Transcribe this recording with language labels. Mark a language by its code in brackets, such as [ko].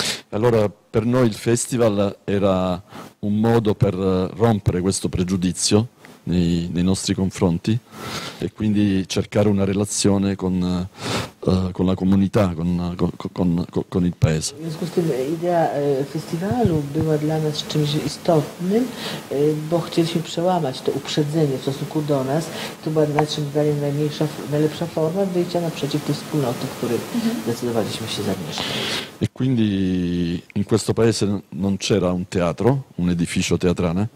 [it] Allora, per noi il festival era un modo per rompere questo pregiudizio nei nostri confronti e quindi cercare una relazione con la comunità, con il paese. [pl] W związku z tym idea festiwalu była dla nas czymś istotnym, bo chcieliśmy przełamać to uprzedzenie w stosunku do nas. To była naszym zdaniem najlepsza forma wyjścia naprzeciw tej wspólnoty, w której zdecydowaliśmy się zamieszkać. [it] E quindi in questo paese non c'era un teatro, un edificio teatrale.